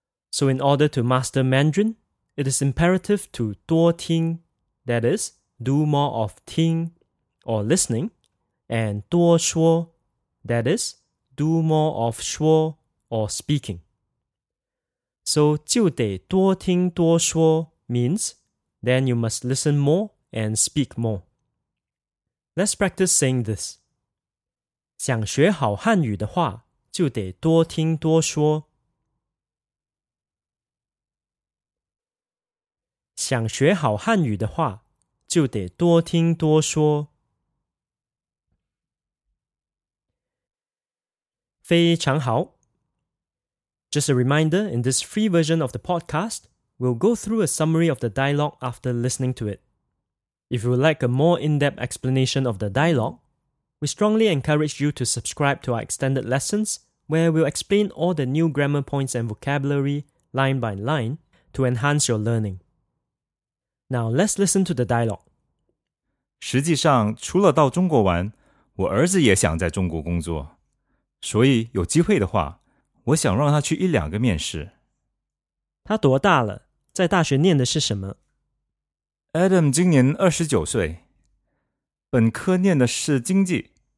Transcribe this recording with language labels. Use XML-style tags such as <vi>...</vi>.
<en>So in order to master Mandarin, it is imperative to</en> <zh>多听,</zh> <en>that is, do more of</en> <zh>听</zh> <en>or listening, and</en> <zh>多说,</zh> <en>that is,do more of</en> <zh>说</zh> <en>or speaking. So,</en> <zh>就得多听多说</zh> <en>means, then you must listen more and speak more. Let's practice saying this.</en> <zh>想学好汉语的话，就得多听多说。想学好汉语的话，就得多听多说。非常好。</zh> <en>Just a reminder, in this free version of the podcast, we'll go through a summary of the dialogue after listening to it. If you would like a more in-depth explanation of the dialogue, we strongly encourage you to subscribe to our extended lessons where we'll explain all the new grammar points and vocabulary line by line to enhance your learning. Now, let's listen to the dialogue.</en> <zh>实际上,除了到中国玩,我儿子也想在中国工作。所以有机会的话,我想让他去一两个面试。他多大了?在大学念的是什么? Adam 今年29岁。本科念的是经济。</zh>